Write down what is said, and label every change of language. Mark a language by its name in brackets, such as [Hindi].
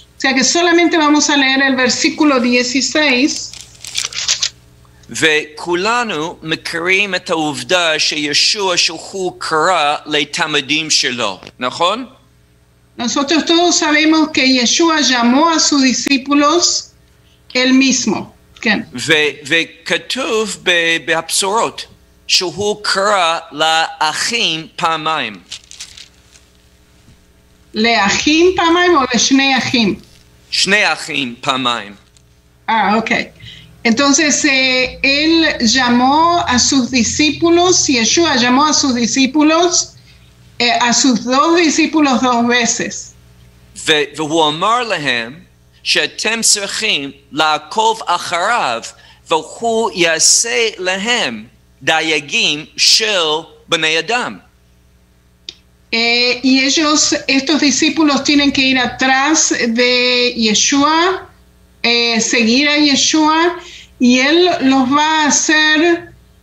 [Spanish] O sea que solamente vamos a leer el versículo 16. [Hebrew] וכולנו מכירים את העובדה שישוע שהוא קרא לתלמידים שלו, נכון? [Spanish] Nosotros todos sabemos que Yeshua llamó a sus discípulos el mismo, [Hebrew] כן. וכתוב בהבשורות שהוא קרא לאחים פעמיים. לאחים פעמיים או לשני אחים? שני אחים פעמיים. אוקיי. [Spanish] Entonces, él llamó a sus discípulos, Yeshua llamó a sus discípulos, a sus dos discípulos dos veces. [Hebrew] והוא אמר להם שאתם צריכים לעקוב אחריו, והוא יעשה להם דייגים של בני אדם. [Spanish] Y ellos, estos discípulos tienen que ir atrás de Yeshua, seguir a Yeshua, y él los va a hacer